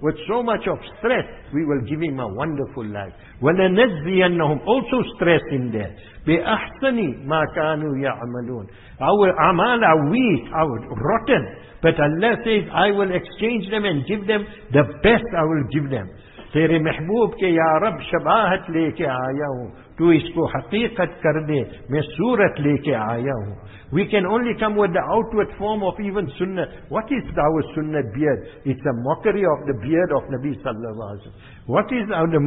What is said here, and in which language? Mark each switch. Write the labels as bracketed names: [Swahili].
[English] With so much of stress, we will give him a wonderful life. Walanajziyannahum, also stress in there. [Arabic] بِأَحْسَنِ مَا كَانُوا يَعْمَلُونَ. [English] Our amal are weak, our rotten. But Allah says, I will exchange them and give them the best I will give them. [Urdu] تیرے محبوب کے یا رب شباہت لے کے آیا ہوں. تو اس کو حقیقت کر دے, میں صورت لے کے آیا ہوں. [English] We can only come with the outward form of even sunnah. What is our sunnah beard? It's a mockery of the beard of Nabi sallallahu alaihi wasallam.